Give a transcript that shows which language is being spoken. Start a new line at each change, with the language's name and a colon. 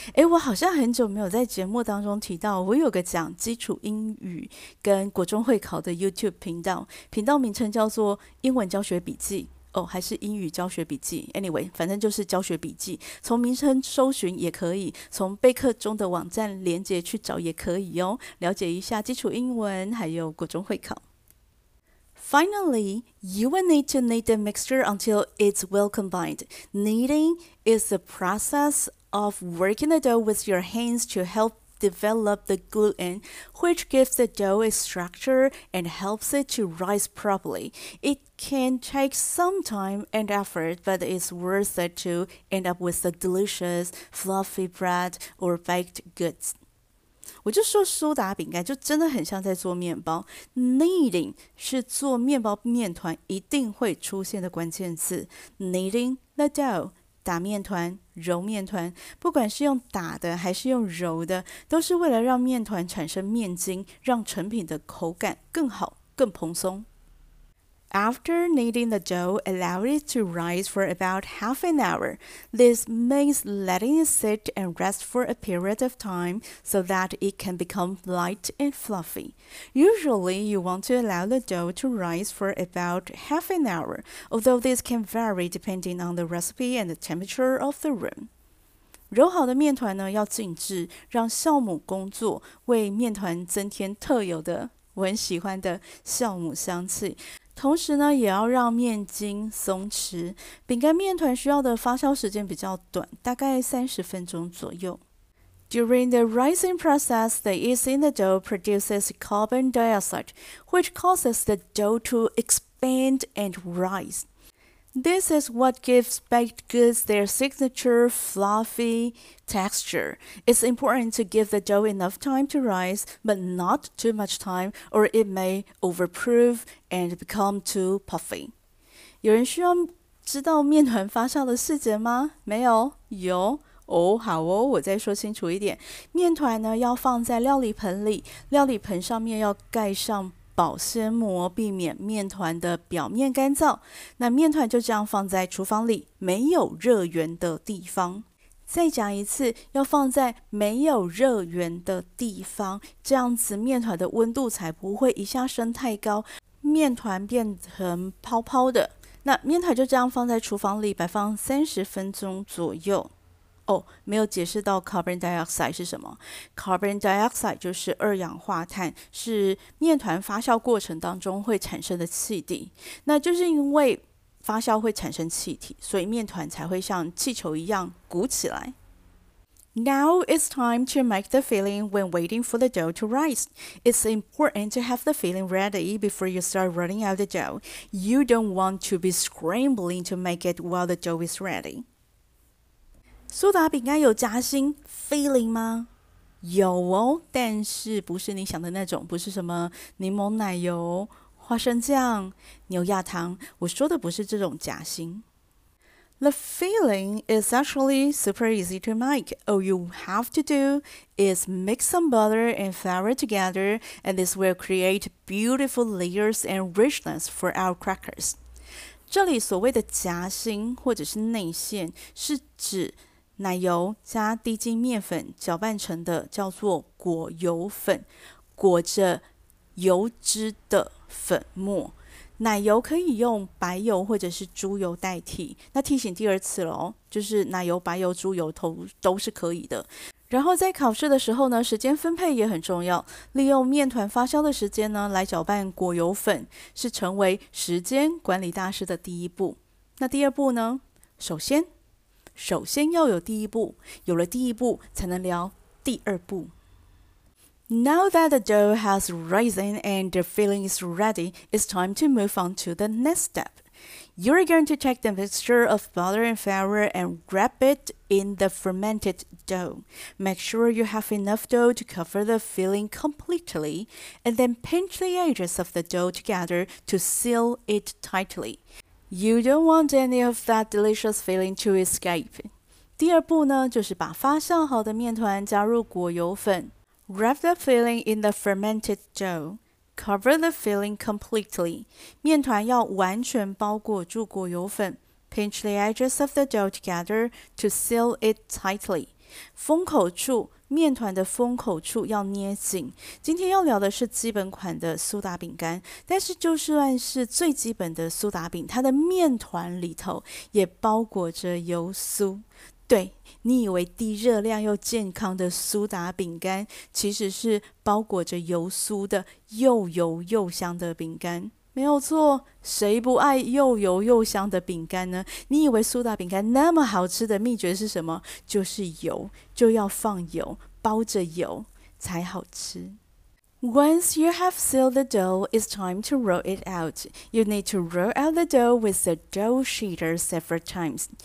Chinese: 诶，我好像很久没有在节目当中提到，我有个讲基础英语跟国中会考的 YouTube 频道，频道名称叫做英文教学笔记。哦，还是英语教学笔记。Anyway，反正就是教学笔记，从名称搜寻也可以，从备课中的网站连接去找也可以哦，了解一下基础英文还有国中会考。
English: Finally, you will need to knead the mixture until it's well combined. Kneading is the process of working the dough with your hands to help develop the gluten, which gives the dough a structure and helps it to rise properly. It can take some time and effort, but it's worth it to end up with a delicious, fluffy bread or baked goods.
Chinese: 我就说苏打饼干就真的很像在做面包。 Kneading 是做面包面团一定会出现的关键词。
English: Kneading the dough。
Chinese: 打面团、揉面团，不管是用打的还是用揉的，都是为了让面团产生面筋，让成品的口感更好、更蓬松。
English: After kneading the dough, allow it to rise for about half an hour. This means letting it sit and rest for a period of time so that it can become light and fluffy. Usually, you want to allow the dough to rise for about half an hour, although this can vary depending on the recipe and the temperature of the room.
Chinese: 揉好的面团呢，要静置，让酵母工作，为面团增添特有的，我很喜欢的酵母香气。同时呢，也要让面筋松弛。饼干面团需要的发酵时间比较短，大概30分钟左右。
English: During the rising process, the yeast in the dough produces carbon dioxide, which causes the dough to expand and rise. This is what gives baked goods their signature fluffy texture. It's important to give the dough enough time to rise, but not too much time, or it may overproof and become too puffy.
Chinese: 有人需要知道面团发酵的细节吗？没有，有。哦，好哦，我再说清楚一点。面团呢，要放在料理盆里，料理盆上面要盖上保鲜膜，避免面团的表面干燥。那面团就这样放在厨房里，没有热源的地方。再讲一次，要放在没有热源的地方，这样子面团的温度才不会一下升太高，面团变成泡泡的。那面团就这样放在厨房里摆放30分钟左右。哦，没有解释到 carbon dioxide 是什么。carbon dioxide 就是二氧化碳，是面团发酵过程当中会产生的气体。那就是因为发酵会产生气体，所以面团才会像气球一样鼓起来。
English: Now it's time to make the filling when waiting for the dough to rise. It's important to have the filling ready before you start rolling out the dough. You don't want to be scrambling to make it while the dough is ready.
Chinese: 苏打饼干有夹心 filling 吗？有哦，但是不是你想的那种，不是什么柠檬奶油、花生酱、牛轧糖，我说的不是这种夹心。
English: The filling is actually super easy to make. All you have to do is mix some butter and flour together, and this will create beautiful layers and richness for our crackers.
Chinese: 这里所谓的夹心或者是内馅，是指奶油加低筋面粉搅拌成的，叫做果油粉，裹着油脂的粉末。奶油可以用白油或者是猪油代替，那提醒第二次咯，就是奶油、白油、猪油都是可以的。然后在考试的时候呢，时间分配也很重要，利用面团发酵的时间呢来搅拌果油粉，是成为时间管理大师的第一步。那第二步呢，首先要有第一步，有了第一步才能聊第二步。
English: Now that the dough has risen and the filling is ready, it's time to move on to the next step. You're going to take the mixture of butter and flour and wrap it in the fermented dough. Make sure you have enough dough to cover the filling completely, and then pinch the edges of the dough together to seal it tightly. You don't want any of that delicious filling to escape.
Chinese: 第二步呢，就是把发酵好的面团加入果油粉。
English: Wrap the filling in the fermented dough. Cover the filling completely.
Chinese: 面团要完全包裹住果油粉。
English: Pinch the edges of the dough together to seal it tightly.
Chinese: 封口处，面团的封口处要捏紧。今天要聊的是基本款的苏打饼干，但是就算是最基本的苏打饼，它的面团里头也包裹着油酥。对，你以为低热量又健康的苏打饼干，其实是包裹着油酥的又油又香的饼干。没有错，谁不爱又油又香的饼干呢？你以为苏打饼干那么好吃的秘诀是什么？就是油，就要放油，包着油才好吃。
English: Once you have sealed the dough, it's time to roll it out. You need to roll out the dough with the dough sheeter several times.